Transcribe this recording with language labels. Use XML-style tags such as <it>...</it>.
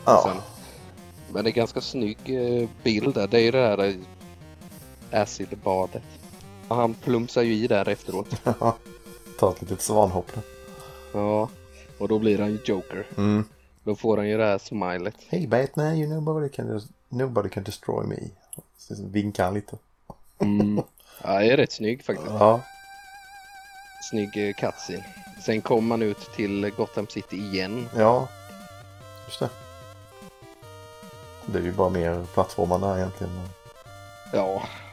<sv>Ja. Men det är ganska snygg bild där. Det är ju det här acidbadet. Och han plumsar ju i där efteråt. Ta ett litet svanhopp. Ja, och då blir han ju Joker. Mm. Då får han ju det här smilet.</sv> <en>Hey Batman, you know, nobody can destroy me.</en> <sv>Vinkar han lite. Mm. Ja, det är rätt snygg faktiskt. Ja. Snygg cutscene. Sen kommer man ut till Gotham City igen. Ja, just det. Det är ju bara mer plattformar där egentligen. Ja.</sv>